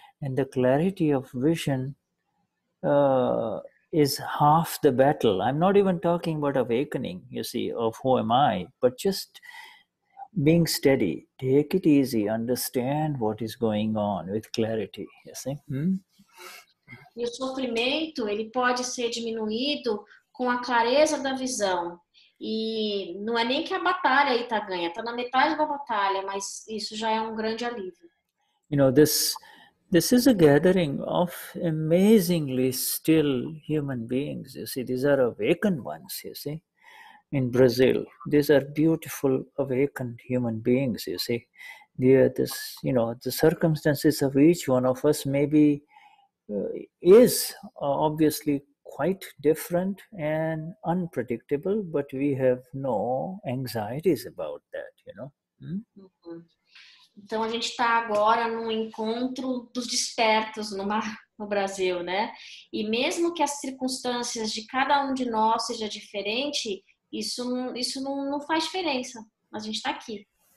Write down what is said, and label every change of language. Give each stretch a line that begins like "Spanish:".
English: And the clarity of vision is half the battle. I'm not even talking about awakening, you see, of who am I, but just being steady, take it easy, understand what is going on with clarity, you see.
Portuguese: E o sofrimento, ele pode ser diminuído com a clareza da visão. E não é nem que a batalha aí tá ganha, tá na metade da batalha, mas isso já é um grande alívio.
English: You know, this is a gathering of amazingly still human beings, you see. These are awakened ones, you see. In Brazil, these are beautiful, awakened human beings, you see. They are this, you know, the circumstances of each one of us maybe is obviously quite different and unpredictable, but we have no anxieties about that, you know. Uh-huh.
Portuguese: Então a gente está agora num encontro dos despertos no Brasil, né? E mesmo que as circunstâncias de cada um de nós seja diferente, isso não faz diferença. Mas a gente está aqui.